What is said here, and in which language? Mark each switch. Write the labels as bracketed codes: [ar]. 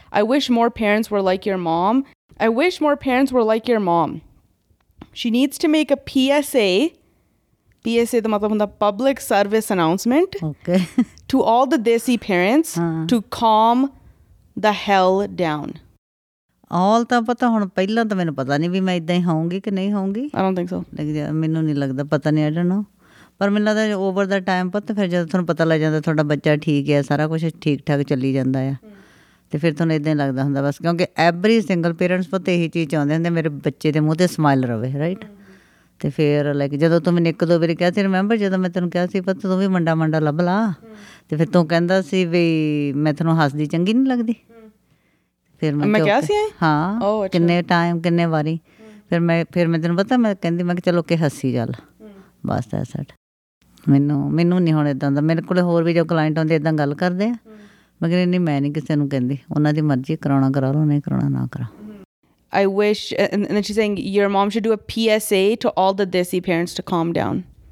[en] I wish more parents were like your mom. She needs to make a PSA. PSA, the [pa] matlab hunda [en] public service announcement. Okay. To all the desi parents, to calm the hell down. [pa] All ਤਾਂ ਪਤਾ ਹੁਣ, ਪਹਿਲਾਂ ਤਾਂ ਮੈਨੂੰ ਪਤਾ ਨਹੀਂ ਵੀ ਮੈਂ ਇੱਦਾਂ ਹੀ ਹੋਊਂਗੀ ਕਿ ਨਹੀਂ ਹੋਊਂਗੀ. [en] I don't think so. [pa] ਲੇਕਿਨ ਮੈਨੂੰ ਨਹੀਂ ਲੱਗਦਾ, ਪਤਾ ਨਹੀਂ, [en] I don't know. [pa] ਪਰ ਮੈਨੂੰ ਲੱਗਦਾ [en] over ਦਾ time [pa] ਪੁੱਤ, ਫਿਰ ਜਦੋਂ ਤੁਹਾਨੂੰ ਪਤਾ ਲੱਗ ਜਾਂਦਾ ਤੁਹਾਡਾ ਬੱਚਾ ਠੀਕ ਹੈ, ਸਾਰਾ ਕੁਛ ਠੀਕ ਠਾਕ ਚੱਲੀ ਜਾਂਦਾ ਆ, ਅਤੇ ਫਿਰ ਤੁਹਾਨੂੰ ਇੱਦਾਂ ਹੀ ਲੱਗਦਾ ਹੁੰਦਾ ਬਸ. ਕਿਉਂਕਿ [en] every single parents [pa] ਪੁੱਤ ਇਹੀ ਚੀਜ਼ ਚਾਹੁੰਦੇ ਹੁੰਦੇ, ਮੇਰੇ ਬੱਚੇ ਦੇ ਮੂੰਹ 'ਤੇ ਸਮਾਈਲ ਰਹੇ, ਰਾਈਟ? ਤੇ ਫਿਰ ਲਾਈਕ ਜਦੋਂ ਤੂੰ ਮੈਨੂੰ ਇੱਕ ਦੋ ਵਾਰੀ ਕਿਹਾ ਸੀ ਰਿਮੈਂਬਰ ਜਦੋਂ ਮੈਂ ਤੈਨੂੰ ਕਿਹਾ ਸੀ ਪੁੱਤ ਤੂੰ ਵੀ ਮੁੰਡਾ ਮੁੰਡਾ ਲੱਭ ਲਾ ਤੇ ਫਿਰ ਤੂੰ ਕਹਿੰਦਾ ਸੀ ਵੀ ਮੈਂ ਤੈਨੂੰ ਹੱਸਦੀ ਚੰਗੀ ਨਹੀਂ ਲੱਗਦੀ ਫਿਰ ਮੈਂ ਕਿਹਾ ਸੀ ਹਾਂ ਕਿੰਨੇ ਟਾਈਮ ਕਿੰਨੇ ਵਾਰੀ ਫਿਰ ਮੈਂ ਤੈਨੂੰ ਪਤਾ ਮੈਂ ਕਹਿੰਦੀ ਮੈਂ ਚਲੋ ਕਿ ਹੱਸੀ ਚੱਲ ਬਸ ਸੈਟ ਮੈਨੂੰ ਨਹੀਂ ਹੁਣ ਇੱਦਾਂ ਦਾ ਮੇਰੇ ਕੋਲ ਹੋਰ ਵੀ ਜੋ ਕਲਾਇੰਟ ਆਉਂਦੇ ਇੱਦਾਂ ਗੱਲ ਕਰਦੇ ਆ ਮੈਂ ਕਹਿੰਦੀ ਨਹੀਂ ਮੈਂ ਨਹੀਂ ਕਿਸੇ ਨੂੰ ਕਹਿੰਦੀ ਉਹਨਾਂ ਦੀ ਮਰਜ਼ੀ ਕਰਾਉਣਾ ਕਰਾ ਲਓ ਨਹੀਂ ਕਰਾਉਣਾ ਨਾ ਕਰਾ [en] I wish, and then she's saying, your mom should do a PSA to all the desi parents to calm down.